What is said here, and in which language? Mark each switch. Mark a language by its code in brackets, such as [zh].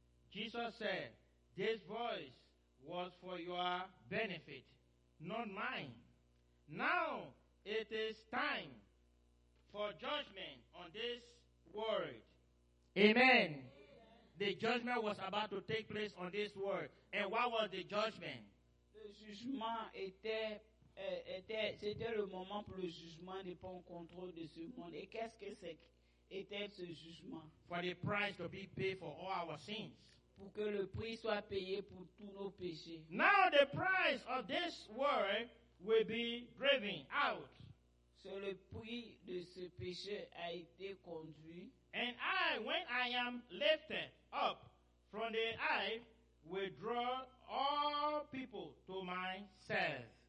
[en] Jesus said, this voice was for your benefit, not mine. Now it is time for judgment on this world. Amen. The judgment was about to take place on this world. And what was the judgment? [fr] Le jugement était c'était le moment pour le jugement de prendre contrôle de ce monde. Et qu'est-ce que c'est était ce jugement? [en] For the price to be paid for all our sins. [fr] Pour que le prix soit payé pour tous nos péchés. [en] Now the price of this world will be driven out. [fr] Sur le prix de ce péché a été conduit. [en] And I, when I am lifted up from the eye, will draw all people to myself.